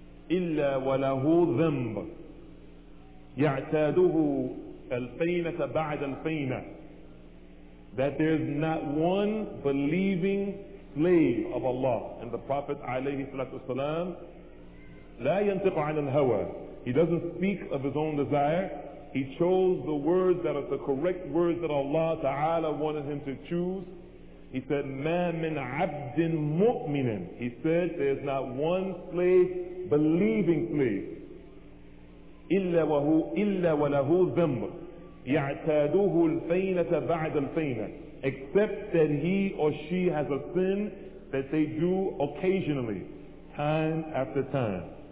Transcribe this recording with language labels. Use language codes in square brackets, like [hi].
[ar] إلا وله ذنب يعتاده الفينة بعد الفينة. [en] That there is not one believing slave of Allah and the Prophet [ar] عليه الصلاة والسلام لا ينطق عن الهوى. [en] He doesn't speak of his own desire. He chose the words that are the correct words that Allah Ta'ala wanted him to choose. He said, [ar] مَا مِنْ عَبْدٍ مُؤْمِنٍ. [en] He said, there's not one slave, believing slave. [ar] إِلَّا وَلَهُ ذَنْبٌ يَعْتَادُهُ الْفَيْنَةَ بَعْدَ الْفَيْنَةِ. [en] Except that he or she has a sin that they do occasionally, time after time.